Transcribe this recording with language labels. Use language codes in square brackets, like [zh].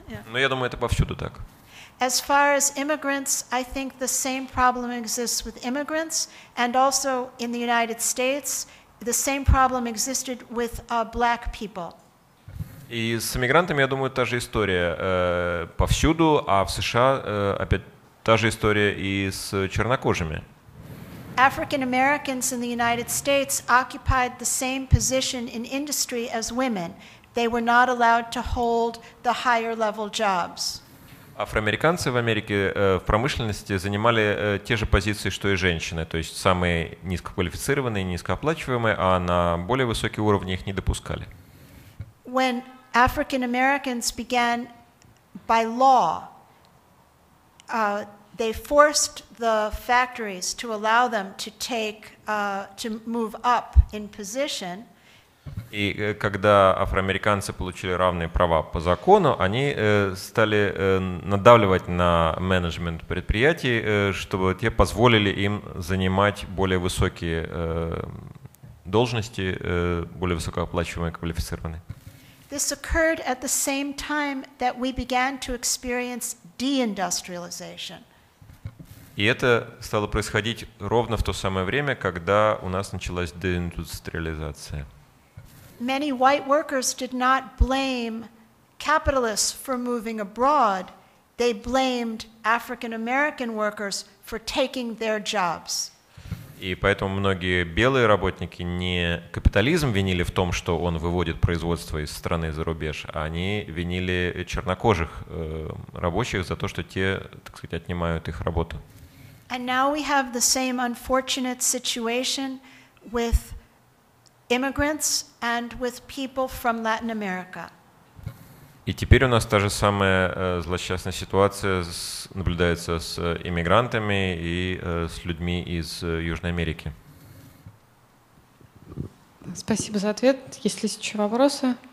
[ru] Но я думаю, это повсюду так. [en] As far as immigrants, I think the same problem exists with immigrants, and also in the United States, the same problem existed with black people. [ru] И с иммигрантами, я думаю, та же история повсюду, а в США опять та же история и с чернокожими. [en] African Americans in the United States occupied the same position in industry as women. They were not allowed to hold the higher level jobs. [ru] Афроамериканцы в Америке в промышленности занимали те же позиции, что и женщины, то есть самые низкоквалифицированные, низкооплачиваемые, а на более высокие уровни их не допускали. [en] When African Americans began by law, they forced the factories to allow them to take to move up in position. [ru] И когда афроамериканцы получили равные права по закону, они стали надавливать на менеджмент предприятий, чтобы те позволили им занимать более высокие должности, более высокооплачиваемые, квалифицированные. [en] This occurred at the same time that we began to experience deindustrialization. [ru] И это стало происходить ровно в то самое время, когда у нас началась деиндустриализация. [en] Many white workers did not blame capitalists for moving abroad. They blamed African-American workers for taking their jobs. [ru] И поэтому многие белые работники не капитализм винили в том, что он выводит производство из страны за рубеж, а они винили чернокожих рабочих за то, что те, так сказать, отнимают их работу. [en] And now we have the same unfortunate situation with immigrants and with people from Latin America. [ru] И теперь у нас та же самая злосчастная ситуация наблюдается с иммигрантами и с людьми из Южной Америки. Спасибо за ответ. Есть ли еще вопросы?